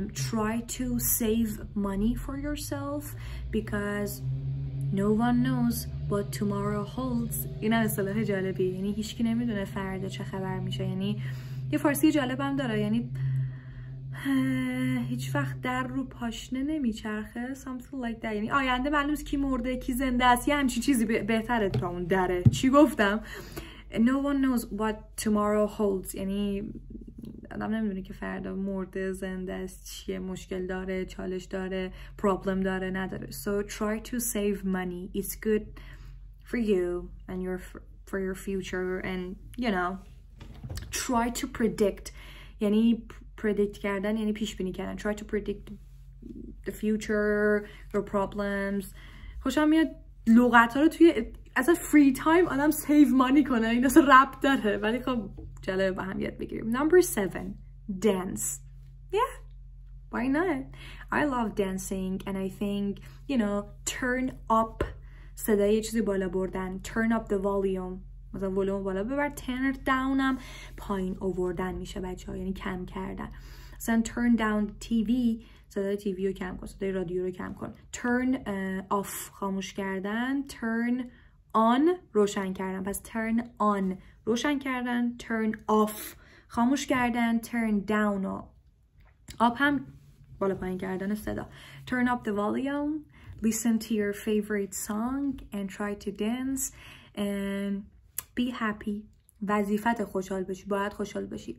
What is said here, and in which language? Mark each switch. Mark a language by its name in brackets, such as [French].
[English] Try to save money for yourself because no one knows what tomorrow holds. [Persian] این هم اصطلاح جالبی, یعنی هیچکی نمیدونه فردا چه خبر میشه. یعنی یه فارسی جالب هم داره, یعنی هیچ وقت در رو پاشنه نمیچرخه, [English] something like that. [Persian] یعنی آینده معلوم است, کی مرده کی زنده است, یه همچین چیزی بهتره تا اون دره. چی گفتم؟ [English] No one knows what tomorrow holds, [Persian] یعنی آدم نمیدونه که فردا مرده زنده است, چیه, مشکل داره, چالش داره, problem داره نداره. [English] So try to save money, it's good for you and for your future, and you know, try to predict. [Persian] یعنی predict کردن یعنی پیش بینی کردن. [English] Try to predict the future, your problems. [Persian] خوشم میاد لغت ها رو توی از free time آدم save money کنه, این اصلا رب داره, ولی خب جالبه با هم یاد بگیریم. [English] Number 7, dance. Yeah, why not? I love dancing and I think, you know, turn up, [Persian] صدای یه چیزی بالا بردن, [English] turn up the volume, [Persian] مثلا ولوم بالا ببر, turn down هم پایین آوردن میشه بچه ها, یعنی کم کردن. مثلا [English] turn down TV, [Persian] صدای تیوی رو کم کن, صدای رادیو رو کم کن. Turn off, خاموش کردن. Turn on, روشن کردن. پس turn on, روشن کردن. Turn off, خاموش کردن. Turn down up, هم بالا پایین کردن صدا. [English] Turn up the volume, listen to your favorite song and try to dance and be happy. [Persian] وظیفت خوشحال باشی, باید خوشحال باشی.